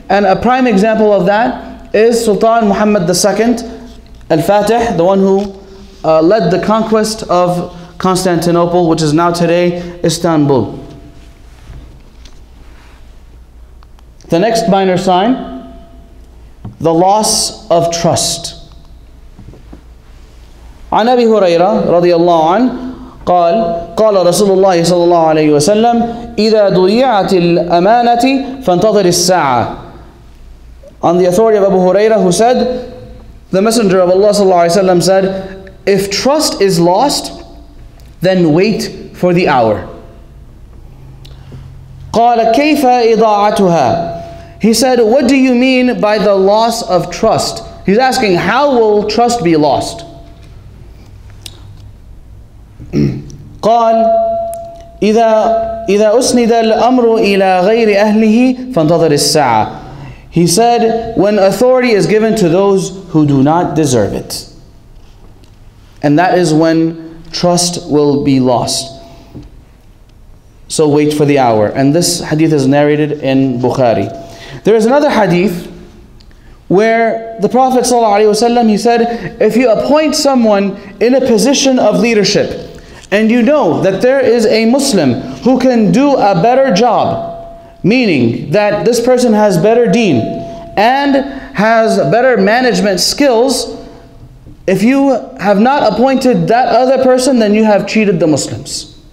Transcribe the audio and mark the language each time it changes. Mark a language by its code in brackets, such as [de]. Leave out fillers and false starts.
[en] And a prime example of that is Sultan Muhammad II, Al-Fatih, the one who led the conquest of Constantinople, which is now today Istanbul. The next minor sign, the loss of trust. [ar] عن أبي هريرة رضي الله عنه قال قال رسول الله صلى الله عليه وسلم إذا ضيعت الأمانة فانتظر الساعة. [en] On the authority of Abu Huraira, who said, the Messenger of Allah [ar] صلى الله عليه وسلم [en] said, if trust is lost, then wait for the hour. [ar] قال كيف إضاعتها. [en] He said, what do you mean by the loss of trust? He's asking, how will trust be lost? [ar] قال إذا أسند الأمر إلى غير أهله فانتظر الساعة. [en] He said, when authority is given to those who do not deserve it. And that is when trust will be lost. So wait for the hour. And this hadith is narrated in Bukhari. There is another hadith where the Prophet ﷺ, he said, if you appoint someone in a position of leadership, and you know that there is a Muslim who can do a better job, meaning that this person has better deen and has better management skills, if you have not appointed that other person, then you have cheated the Muslims.